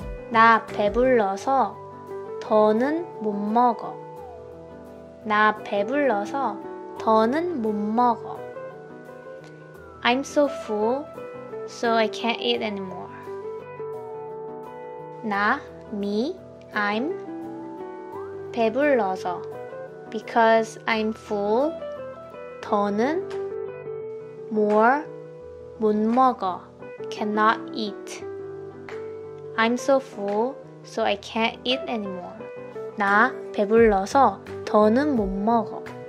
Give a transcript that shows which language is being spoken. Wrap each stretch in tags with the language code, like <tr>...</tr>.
<ko>나 배불러서 더는 못 먹어. 나 배불러서 더는 못 먹어.</ko> <en>I'm so full, so I can't eat anymore.</en> <ko>나,</ko> <en>me, I'm</en> <ko>배불러서</ko> <en>because I'm full,</en> <ko>더는</ko> <en>more</en> <ko>못 먹어,</ko> <en>cannot eat. I'm so full, so I can't eat anymore.</en> <ko>나 배불러서 더는 못 먹어.</ko>